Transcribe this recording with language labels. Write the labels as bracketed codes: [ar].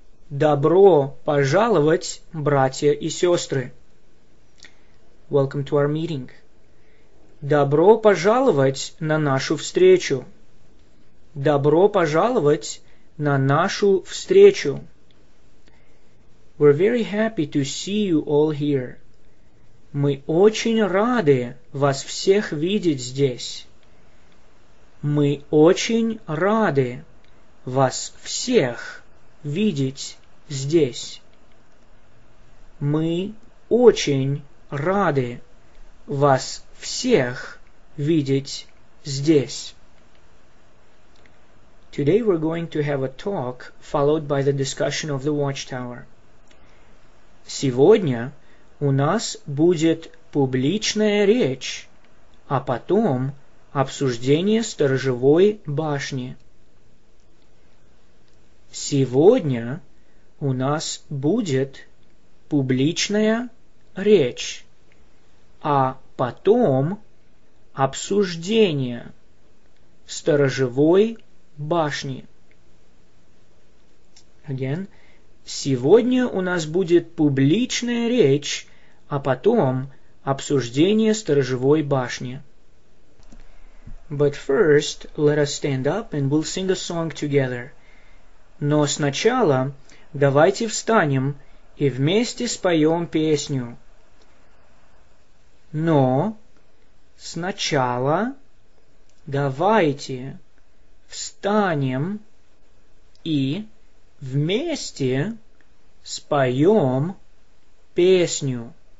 [ru] Добро пожаловать, братья и сестры. [en] Welcome to our meeting. [ru] Добро пожаловать на нашу встречу. Добро пожаловать на нашу встречу. [en] We're very happy to see you all here. [ru] Мы очень рады вас всех видеть здесь. Мы очень рады вас всех видеть здесь. Мы очень рады вас всех видеть здесь. [en] Today we're going to have a talk followed by the discussion of the Watchtower. [ru] Сегодня у нас будет публичная речь, а потом обсуждение сторожевой башни. Сегодня у нас будет публичная речь, а потом обсуждение сторожевой башни. [en] Again. [ru] Сегодня у нас будет публичная речь, а потом обсуждение сторожевой башни. [en] But first, let us stand up and we'll sing a song together. [ru] Но сначала давайте встанем и вместе споем песню. Но сначала давайте встанем и вместе споем песню.